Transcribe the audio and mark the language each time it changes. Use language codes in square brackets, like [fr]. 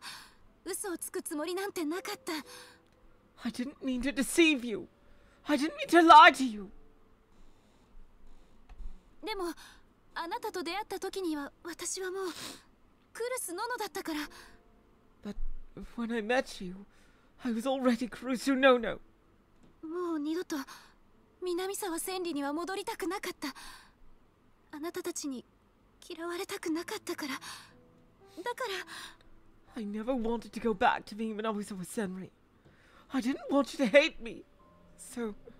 [ja] 私だって騙すつもりはなかったのよ。嘘をつくつもりなんてなかった。 [en] I didn't mean to deceive you. I didn't mean to lie to you. [ja] でも、あなたと出会った時には私はもうクルスノノだったから。 [en] But when I met you, I was already Kurusu Nono. [ja] もう二度と南沢千里には戻りたくなかった。あなたたちに嫌われたくなかったから。だから [en] I never wanted to go back to being Minamisa with Senri. I didn't want you to hate me, so...